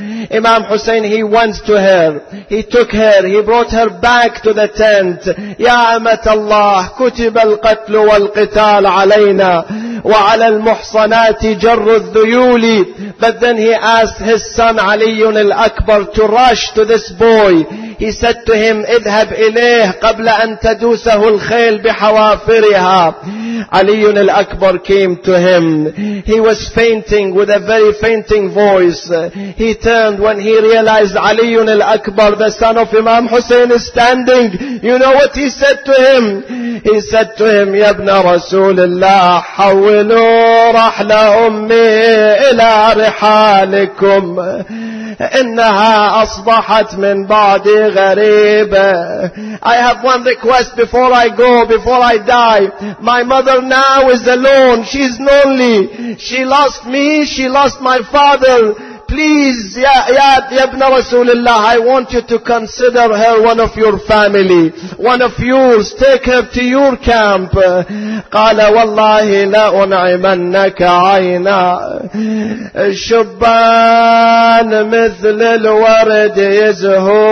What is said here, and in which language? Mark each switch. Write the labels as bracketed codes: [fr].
[en] Imam Hussein, he went to her. He took her. He brought her back to the tent. [ar] يا أمة الله كتب القتل والقتال علينا وعلى المحصنات جر الذيول. [en] But then he asked his son Ali al-Akbar to rush to this boy. He said to him, [ar] اذهب إليه قبل أن تدوسه الخيل بحوافرها. [en] Ali al-Akbar came to him. He was fainting with a very fainting voice. He turned when he realized Ali al-Akbar, the son of Imam Hussein, is standing. You know what he said to him? He said to him, [ar] يا ابن رسول الله حولوا رحلة أمي إلى رحالكم إنها أصبحت من بعدي غريبة. [en] I have one request before I go, before I die. My mother now is alone. She's lonely. She lost me. She lost my father. Please, [ar] ya ibn Rasulullah, [en] I want you to consider her one of your family, one of yours. Take her to your camp. [ar] قال والله لا أنعمنك عينا شبان مثل الورد يزهون